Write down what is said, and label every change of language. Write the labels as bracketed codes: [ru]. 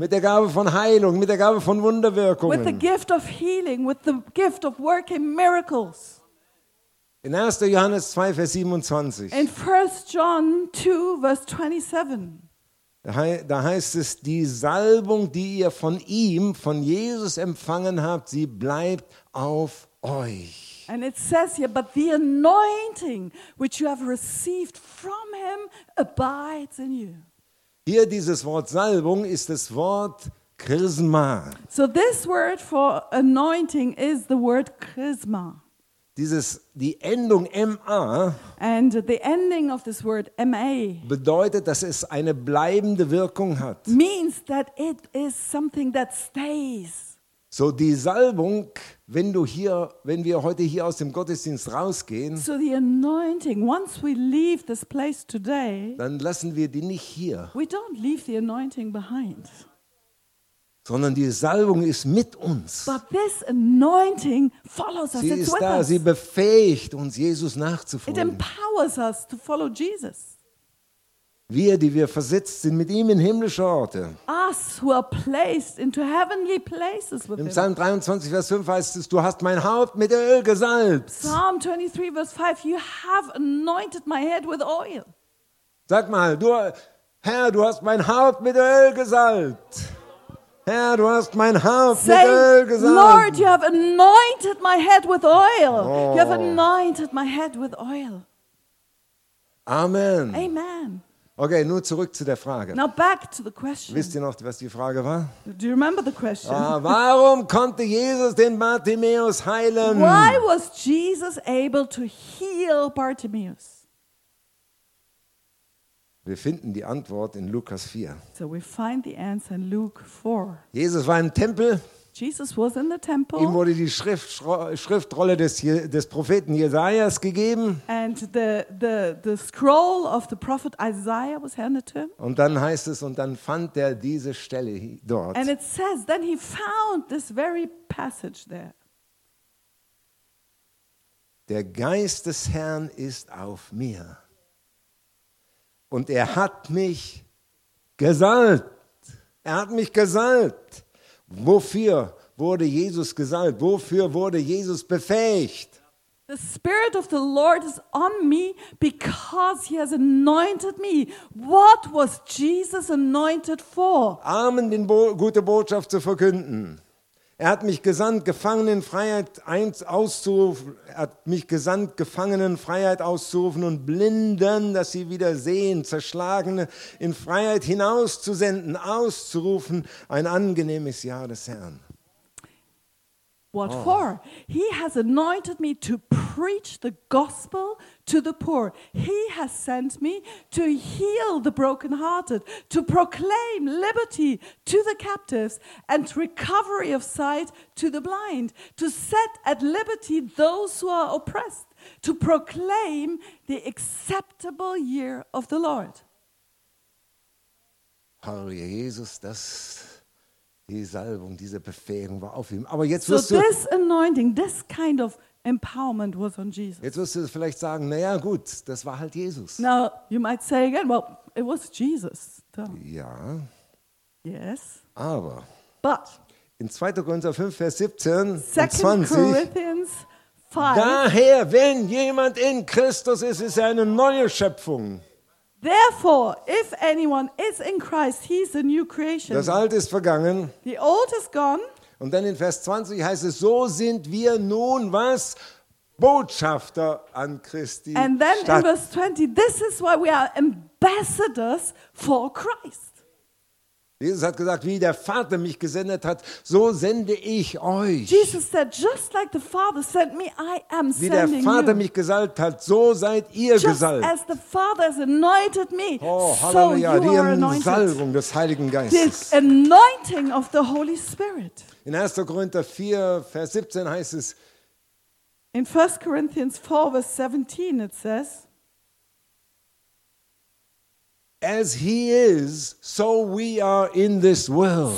[de] Mit der Gabe von Heilung, mit der Gabe von Wunderwirkungen. [en] With the gift of healing, with the gift of working miracles. [de] In 1. Johannes 2, Vers 27. [en] In 1. John 2, Vers 27. [de] Da heißt es, die Salbung, die ihr von ihm, von Jesus empfangen habt, sie bleibt auf euch. [en] And it says here, but the anointing which you have received from him abides in you. [de] Hier dieses Wort Salbung ist das Wort Chrisma. [en] So this word for anointing is the word Chrisma. [de] Die Endung ma. [en] And the ending of this word ma [de] bedeutet, dass es eine bleibende Wirkung hat. [en] Means that it is something that stays. [de] So die Salbung, wenn wir heute hier aus dem Gottesdienst rausgehen, [en] so the anointing, once we leave this place today, [de] dann lassen wir die nicht hier. [en] We don't leave the anointing behind. [de] Sondern die Salbung ist mit uns. [en] But this anointing follows us. [de] Sie ist da, sie befähigt uns, Jesus nachzufolgen. [en] It empowers us to follow Jesus. [de] Wir, die wir versetzt sind mit ihm in himmlische Orte. [en] Us who are placed into heavenly places with him. [de] Im Psalm 23, Vers 5 heißt es, du hast mein Haupt mit Öl gesalbt. [en] Psalm 23, Vers 5, you have anointed my head with oil. [de] Sag mal, du hast mein Haupt mit Öl gesalbt. Herr, du hast mein Haupt mit Öl gesalbt. [en] Lord, you have anointed my head with oil. Oh. You have anointed my head with oil. [de] Amen. [en] Amen. [de] Okay, nur zurück zu der Frage. [en] Now back to the question. [de] Wisst ihr noch, was die Frage war? [en] Do you remember the question? [de] Warum konnte Jesus den Bartimäus heilen? [en] Why was Jesus able to heal Bartimäus? [de] Wir finden die Antwort in Lukas 4. [en] So we find the answer in Luke 4. [de] Jesus war im Tempel. [en] Jesus was in the temple. [de] Ihm wurde die Schriftrolle des Propheten Jesajas gegeben. [en] And the scroll of the prophet Isaiah was handed to him. [de] Und dann heißt es, und dann fand er diese Stelle dort. [en] And it says, then he found this very passage there. [de] Der Geist des Herrn ist auf mir. Und er hat mich gesalbt. Er hat mich gesalbt. Wofür wurde Jesus gesalbt? Wofür wurde Jesus befähigt? [en] The Spirit of the Lord is on me because he has anointed me. What was Jesus anointed for? [de] Armen die gute Botschaft zu verkünden. Er hat mich gesandt, Gefangenen Freiheit auszurufen. Er hat mich gesandt, Gefangenen Freiheit auszurufen und Blinden, dass sie wieder sehen, Zerschlagene in Freiheit hinauszusenden, auszurufen, ein angenehmes Jahr des Herrn. [en] What for? He has anointed me to preach the gospel to the poor. He has sent me to heal the brokenhearted, to proclaim liberty to the captives and recovery of sight to the blind, to set at liberty those who are oppressed, to proclaim the acceptable year of the Lord. [de] Halleluja, Jesus, das, die Salbung, diese Befähigung war auf ihm. Aber jetzt wirst du... [en] So this anointing, this kind of empowerment was on Jesus. [de] Jetzt wirst du vielleicht sagen, naja gut, das war halt Jesus. [en] Now, you might say again, well, it was Jesus. [de] Da. Ja. [en] Yes. [de] Aber. [en] But. [de] In 2. Korinther 5, Vers 17 und 20. [en] 2. Corinthians 5. [de] Daher, wenn jemand in Christus ist, ist er eine neue Schöpfung. [en] Therefore, if anyone is in Christ, he is a new creation. [de] Das Alte ist vergangen. [en] The old is gone. [de] Und dann in Vers 20 heißt es, so sind wir nun was? Botschafter an Christi. [en] And then [de] Stadt. [en] In verse 20, this is why we are ambassadors for Christ. [de] Jesus hat gesagt, wie der Vater mich gesendet hat, so sende ich euch. [en] Jesus said, just like the Father sent me, I am sending you. [de] Wie der Vater mich gesalbt hat, so seid ihr [en] just [de] gesalbt. [en] Just as the Father has anointed me, oh, so you are anointed. [de] Halleluja, die Salbung des Heiligen Geistes. [en] This anointing of the Holy Spirit. [de] In 1. Korinther 4, Vers 17 heißt es, [en] in 1. Corinthians 4, Vers 17, it says, as he is, so we are in this world.